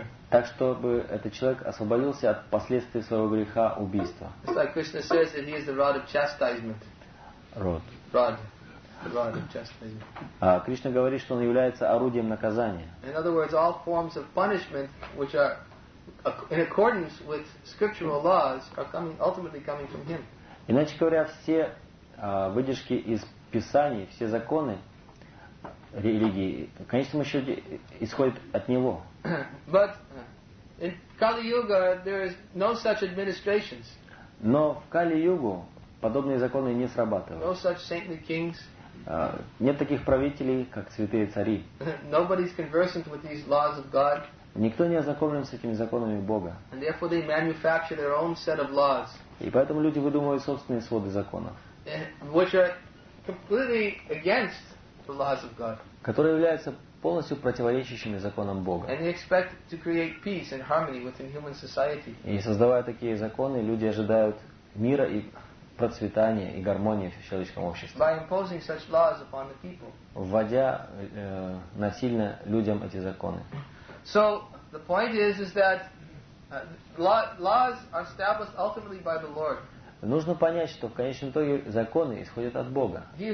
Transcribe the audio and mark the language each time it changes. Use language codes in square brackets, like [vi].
[ru] Так, чтобы этот человек освободился от последствий своего греха убийства. [en] Like Krishna says that he is the rod of chastisement. Rod. Rod. The rod of chastisement. [ru] А Кришна говорит, что он является орудием наказания. [en] In other words, all forms of punishment which are in accordance with scriptural laws are coming, ultimately coming from him. [ru] Иначе говоря, все выдержки из Писаний, все законы религии, в конечном счете, исходят от него. [en] But in Kali-Yuga there is no such administrations. [ru] Но в Кали-Югу подобные законы не срабатывают. [en] No such saintly kings. [ru] Нет таких правителей, как святые цари. [en] Nobody is conversant with these laws of God. [ru] Никто не ознакомлен с этими законами Бога. [en] And therefore they manufacture their own set of laws. [ru] И поэтому люди выдумывают собственные своды законов. [en] Which are completely against the laws of God. [ru] Которые являются полностью противоречащими законам Бога. [en] And they expect to create peace and harmony within human society. [ru] И создавая такие законы, люди ожидают мира и процветания и гармонии в человеческом обществе. [en] By imposing such laws upon the people. [ru] Вводя насильно людям эти законы. [en] So the point is that laws are established ultimately by the Lord. [ru] Нужно понять, что в конечном итоге законы исходят от Бога.